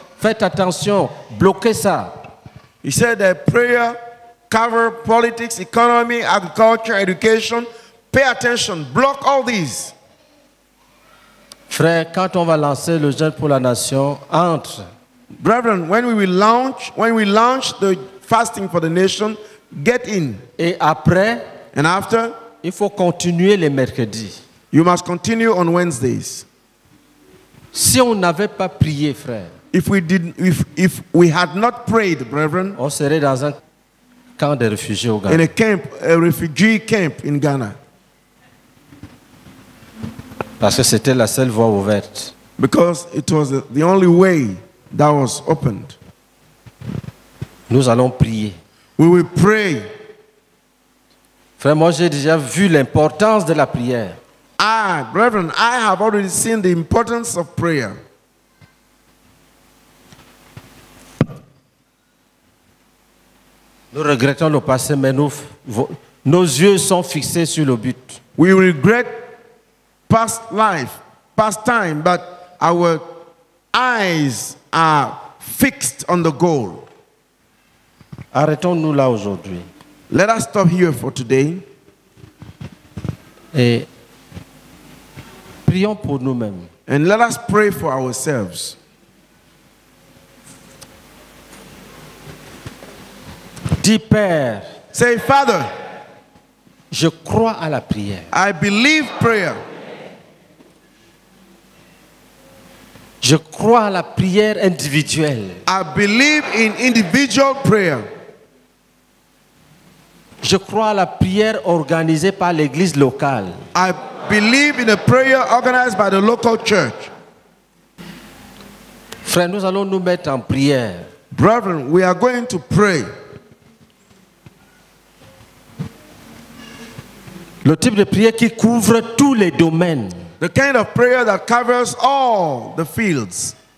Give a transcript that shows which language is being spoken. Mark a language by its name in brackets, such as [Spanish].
[French] Faites attention, bloquez ça. [English] He said that prayer cover politics, economy, agriculture, education. Pay attention, block all these. [French] Frère, quand on va lancer le jeûne pour la nation, entre. [English] Brethren, when we launch the fasting for the nation, get in. [French] Et après, [English] and after, [French] il faut continuer les mercredis. [English] You must continue on Wednesdays. [French] Si on n'avait pas prié, frère, [English] if we had not prayed, brethren, [French] on serait dans un camp de réfugiés au Ghana. [English] In a camp, a refugee camp in Ghana. [French] Parce que c'était la seule voie ouverte. [English] Because it was the only way that was opened. [French] Nous allons prier. [English] We will pray. [French] Frère, moi j'ai déjà vu l'importance de la prière. [English] Ah, brethren, I have already seen the importance of prayer. [French] Nous regrettons le passé, mais nos yeux sont fixés sur le but. [English] We regret past life, past time, but our eyes are fixed on the goal. [French] Arrêtons-nous là aujourd'hui. [English] Let us stop here for today. [French] Et prions pour nous-mêmes. [English] And let us pray for ourselves. [French] Dis Père. [English] Say Father. [French] Je crois à la prière. [English] I believe prayer. [French] Je crois à la prière individuelle. [English] I believe in individual prayer. [French] Je crois à la prière organisée par l'église locale. [English] I believe in a prayer organized by the local church. [French] Frère, nous allons nous mettre en prière. [English] Brethren, we are going to pray. [French] Le type de prière qui couvre tous les domaines. [English] The kind of prayer that covers all the fields.